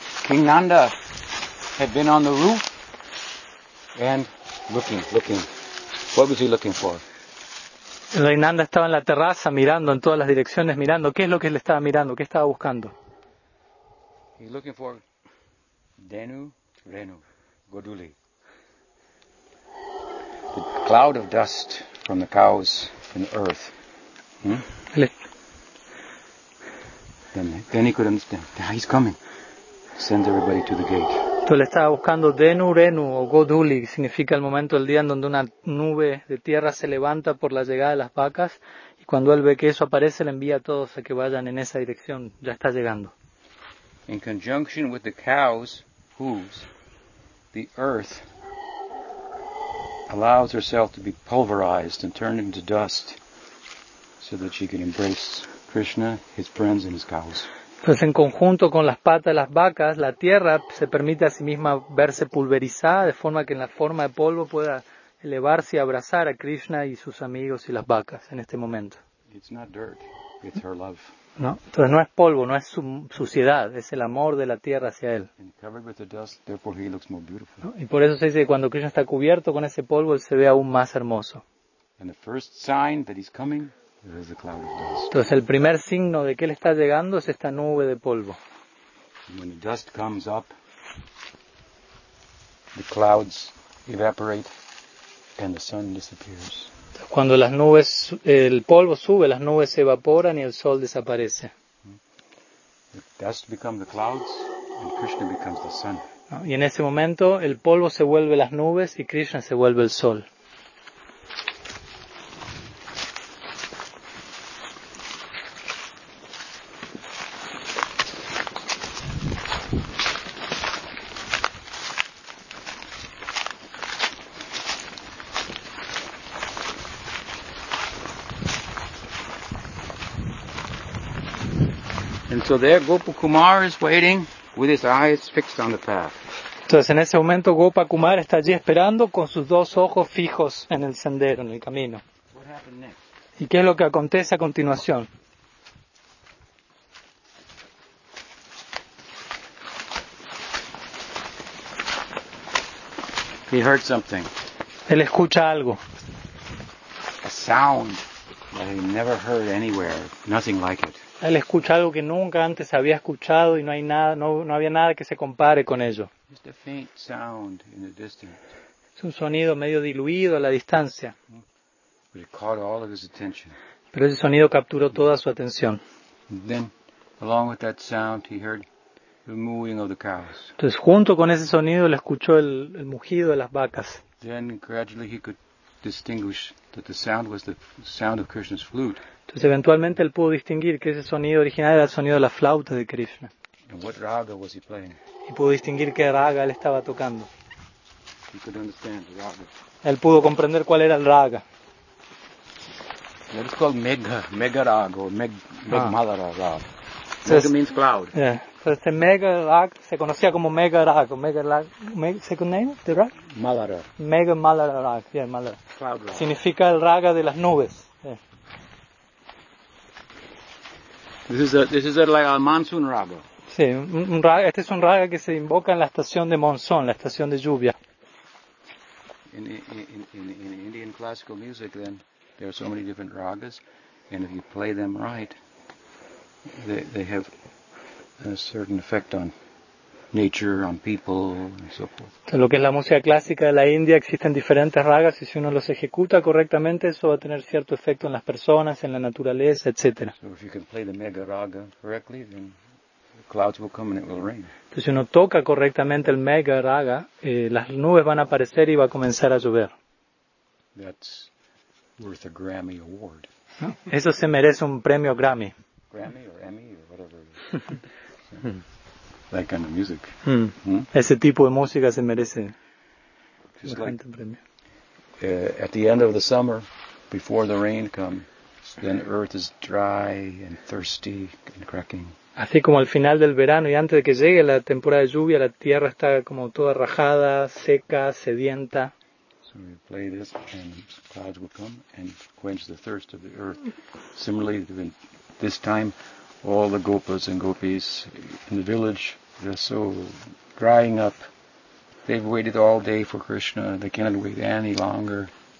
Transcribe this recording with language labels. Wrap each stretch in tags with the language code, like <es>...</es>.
<en>Nanda had been on the roof and looking. What was he looking for?</en> <es>Rey Nanda estaba en la terraza mirando en todas las direcciones, mirando. ¿Qué es lo que él estaba mirando? ¿Qué estaba buscando?</es> <en>He's looking for Denu, Renu, Goduli. The cloud of dust from the cows and the earth. Then he could understand. He's coming. Sends everybody to the gate.</en> <es>Entonces le estaba buscando Denu Renu o Goduli, que significa el momento del día en donde una nube de tierra se levanta por la llegada de las vacas, y cuando él ve que eso aparece, le envía a todos a que vayan en esa dirección. Ya está llegando.</es> <en>In conjunction with the cow's hooves, the earth allows herself to be pulverized and turned into dust so that she can embrace Krishna, his friends and his cows.</en> <es>Entonces, en conjunto con las patas de las vacas, la tierra se permite a sí misma verse pulverizada, de forma que en la forma de polvo pueda elevarse y abrazar a Krishna y sus amigos y las vacas en este momento.</es> <en>It's not dirt, it's her love.</en> <es>¿No? Entonces, no es polvo, no es suciedad, es el amor de la tierra hacia él.</es> <en>And covered with the dust, therefore he looks more beautiful.</en> <es>¿No? Y por eso se dice que cuando Krishna está cubierto con ese polvo, él se ve aún más hermoso.</es> <en>And the first sign that he's coming, there's a cloud of dust.</en> <es>Entonces el primer signo de que él está llegando es esta nube de polvo.</es> <en>When the dust comes up, the clouds evaporate and the sun disappears.</en> <es>Cuando las nubes, el polvo sube, las nubes se evaporan y el sol desaparece.</es> <en>The dust become the clouds and Krishna becomes the sun.</en> <es>¿No? Y en ese momento el polvo se vuelve las nubes y Krishna se vuelve el sol.</es> <en>And so there Gopakumar is waiting with his eyes fixed on the path.</en> <es>Entonces en ese momento Gopakumar está allí esperando con sus dos ojos fijos en el sendero, en el camino.</es> <en>What happened next?</en> <es>¿Y qué es lo que acontece a continuación?</es> <en>He heard something.</en> <es>Él escucha algo.</es> <en>A sound that he never heard anywhere, nothing like it.</en> <es>Él escucha algo que nunca antes había escuchado y no hay nada, no había nada que se compare con ello.</es> <en>Just a faint sound in the distance.</en> <es>Es un sonido medio diluido a la distancia.</es> <en>But it caught all of his attention.</en> <es>Pero ese sonido capturó toda su atención.</es> <en>Then, along with that sound, he heard the mooing of the cows.</en> <es>Entonces, junto con ese sonido, le escuchó el mugido de las vacas.</es> <en>Then, gradually, he could distinguish that the sound was the sound of Krishna's flute.</en> <es>Entonces, eventualmente, él pudo distinguir que ese sonido original era el sonido de la flauta de Krishna.</es> <en>And what raga was he playing?</en> <es>Y pudo distinguir qué raga él estaba tocando.</es> <en>He could understand the raga.</en> <es>Él pudo comprender cuál era el raga.</es> <en>It's called Megha Rag. Megha means cloud. Yeah. So the Megha Rag</en> <es>se conocía como</es> <en>Megha Rag. Megha Rag. Second name? The Rag? Malara. Megha Malara Rag. Yeah, Malara. Cloud Rag.</en> <es>Significa el raga de las nubes. Yeah.</es> <en>This is like a monsoon raga.</en> <es>Sí, un raga. Este es un raga que se invoca en la estación de monzón, la estación de lluvia.</es> <en>In Indian classical music, then. There are so many different ragas, and if you play them right, they have a certain effect on nature, on people, and so forth.</en> <es>En lo que es la música clásica de la India, existen diferentes ragas, y si uno los ejecuta correctamente, eso va a tener cierto efecto en las personas, en la naturaleza, etc.</es> <en>So if you can play the mega raga correctly, then the clouds will come and it will rain.</en> <es>Entonces, si uno toca correctamente el mega raga, las nubes van a aparecer y va a comenzar a llover.</es> <en>That's worth a Grammy award.</en> <es>Eso se merece un premio Grammy.</es> <en>Grammy or Emmy or whatever. So, that kind of music.</en> <es>Ese tipo de música se merece.</es> <en>Just like premio. At the end of the summer, before the rain comes, then earth is dry and thirsty and cracking.</en> <es>Así como al final del verano y antes de que llegue la temporada de lluvia, la tierra está como toda rajada, seca, sedienta.</es> <en>We play this and clouds will come and quench the thirst of the earth. Similarly, this time, all the gopas and gopis in the village, they're so drying up. They've waited all day for Krishna. They cannot wait any longer.</en>